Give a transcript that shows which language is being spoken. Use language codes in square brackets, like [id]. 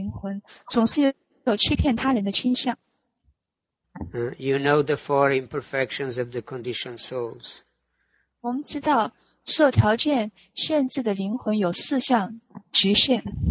[zh] 一个受条件限制的灵魂总是有欺骗他人的倾向。 [en] You know the four imperfections of the conditioned souls. [zh] 我们知道受条件限制的灵魂有四项局限。